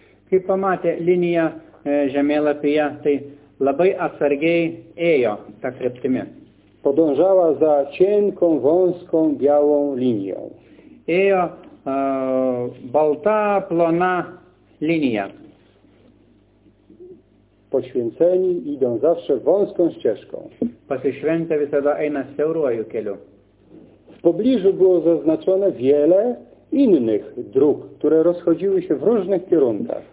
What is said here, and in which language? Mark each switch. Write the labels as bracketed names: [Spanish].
[Lithuanian] Kai pamatė liniją žemėlapyje, tai labai atsargiai ėjo tą kryptimį. [Polish] Podążała za cienką, wąską, białą linią. [Lithuanian] Ėjo balta, plona linija. [Polish] Poświęceni idą zawsze wąską ścieżką. [Lithuanian] Pasišventę visada eina siauruoju keliu. [Polish] W pobliżu było zaznaczone wiele innych dróg, które rozchodziły się w różnych kierunkach.